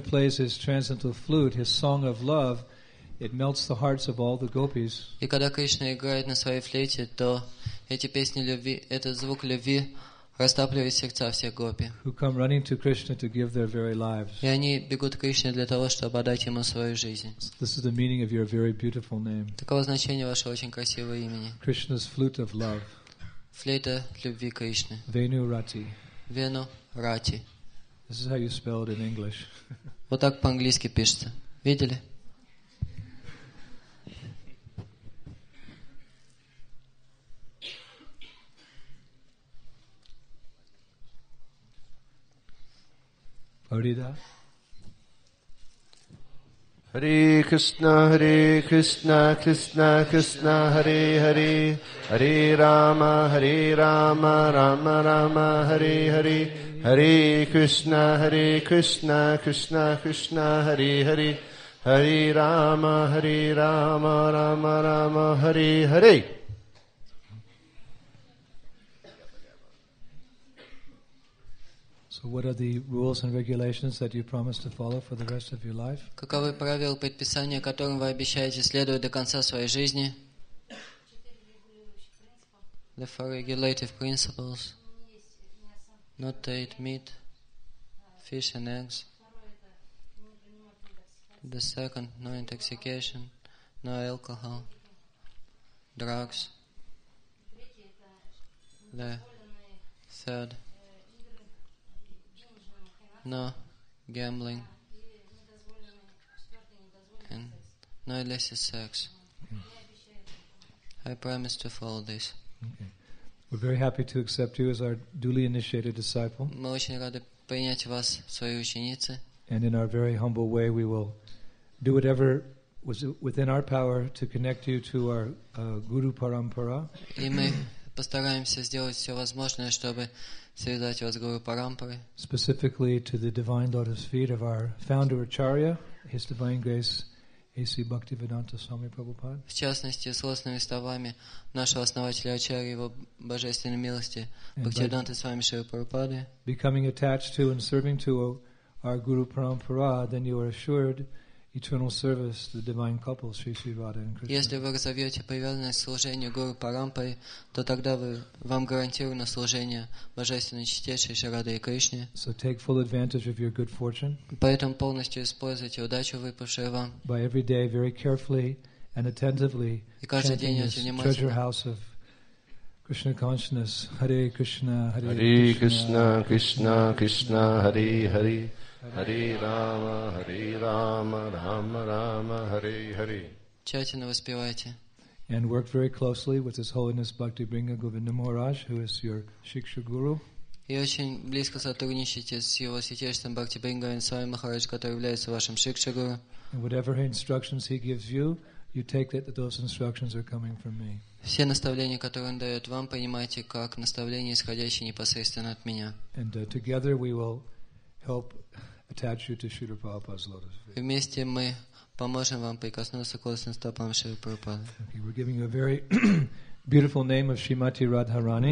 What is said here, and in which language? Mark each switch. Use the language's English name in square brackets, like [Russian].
[English] plays his transcendental flute, his song of love, it melts the hearts of all the gopis. [Russian] И когда Кришна играет на своей флейте, то эти песни любви, этот звук любви растапливает сердца всех гопи. [English] Who come running to Krishna to give their very lives. [Russian] И они бегут к Кришне для того, чтобы отдать ему свою жизнь. [English] So this is the meaning of your very beautiful name. [Russian] Таково значение вашего очень красивого имени. [English] Krishna's flute of love. [Russian] Флейта любви Кришны. Venu Rati. Venu Rati. [English] This is how you spell it in English. [Russian] Вот так по-английски пишется. Видели? Парида. [Sanskrit] Hare Krishna, Hare Krishna, Krishna Krishna, Hare Hare. Hare Rama, Hare Rama, Rama Rama, Hare Hare. Hare Krishna, Hare Krishna, Krishna Krishna, Hare Hare. Hare Rama, Hare Rama, Rama Rama, Hare Hare. [English] So what are the rules and regulations that you promise to follow for the rest of your life? [Russian] Каковы правила и предписания, которым вы обещаете следовать до конца своей жизни? [English] The four regulative principles. Not to eat meat, fish and eggs. The second, no intoxication, no alcohol, drugs. The third, no gambling and no illicit sex. Okay. I promise to follow this. Okay. We're very happy to accept you as our duly initiated disciple. [Russian] Мы очень рады принять вас в свои ученицы. [English] And in our very humble way, we will do whatever was within our power to connect you to our Guru Parampara. [Russian] И мы постараемся сделать все возможное, чтобы связать вас с Гуру Парампарой. [English] Specifically to the divine lotus feet of our founder Acharya, His Divine Grace, A.C. Bhaktivedanta Swami Prabhupada. [Russian] В частности, с лотосными стопами нашего основателя Ачарьи, его божественной милости, Бхактивиданты Свами Шри Прабхупады. [English] Becoming attached to and serving to our Guru Parampara, then you are assured eternal service to the divine couples, Sri Sri Radha and Krishna. [Russian] Если вы разовьете привязанность к служению Гуру Парампаре, то тогда вам гарантировано служение Божественной Чистейшей Шри Радхе и Кришне. [English] So take full advantage of your good fortune. [Russian] Поэтому полностью используйте удачу, выпавшую вам. [English] By every day, very carefully and attentively, chanting this treasure house of Krishna consciousness, [Sanskrit] Hare Krishna, Hare Krishna, Krishna Krishna, Hare Hare. Hare Rama, Hare Rama, Rama Rama, Hare Hare. [Russian] Тщательно воспевайте. [English] And work very closely with His Holiness Bhakti Bringa Govinda Maharaj, who is your Shiksha Guru. [Russian] И очень близко сотрудничайте с Его Святейшеством Бхакти Бринга Говинда Свами Махарадж, который является вашим Шикша Гуру. [English] And whatever instructions He gives you, you take it that those instructions are coming from me. [Russian] Все наставления, которые Он дает вам, принимайте как наставления, исходящие непосредственно от меня. [English] And together we will help attach you to Śrīla Prabhupāda's lotus feet. [Russian] Вместе мы поможем вам прикоснуться к лотосным стопам Шрилы Прабхупады. [English] We're giving you a very beautiful name of Śrīmatī Radharani.